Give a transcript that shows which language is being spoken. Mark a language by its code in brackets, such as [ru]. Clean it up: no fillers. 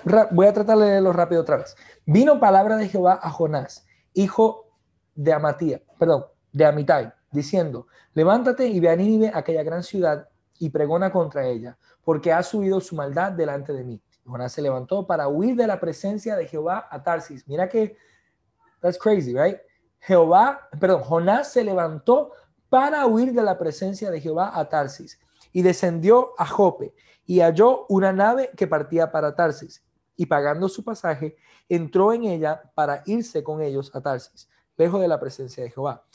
[es] Voy a tratar de leerlo rápido otra vez. Vino palabra de Jehová a Jonás, hijo de Amatía, perdón, de Amitai, diciendo, levántate y ve a Nínive, aquella gran ciudad, y pregona contra ella, porque ha subido su maldad delante de mí. Jonás se levantó para huir de la presencia de Jehová a Tarsis. Mira que, [en] that's crazy, right? [es] Jonás se levantó para huir de la presencia de Jehová a Tarsis, y descendió a Jope, y halló una nave que partía para Tarsis, y pagando su pasaje, entró en ella para irse con ellos a Tarsis, lejos de la presencia de Jehová.